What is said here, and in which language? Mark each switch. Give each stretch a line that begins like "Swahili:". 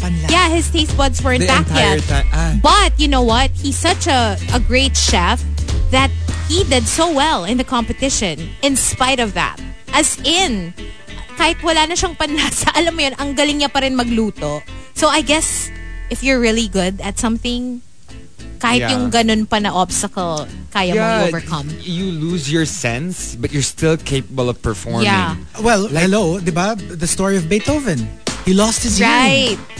English: Yeah, his taste buds weren't the back yet. But, you know what? He's such a great chef that he did so well in the competition in spite of that. As in,
Filipino: kahit wala na siyang panlasa, alam mo yun, ang galing niya pa rin magluto.
English: So, I guess, if you're really good at something,
Filipino: kahit yung ganun pa na
English: obstacle,
Filipino: kaya mo
English: overcome. You lose your sense, but you're still capable of performing. Yeah. Well, like, hello, diba? The story of Beethoven. He lost his hearing. Right.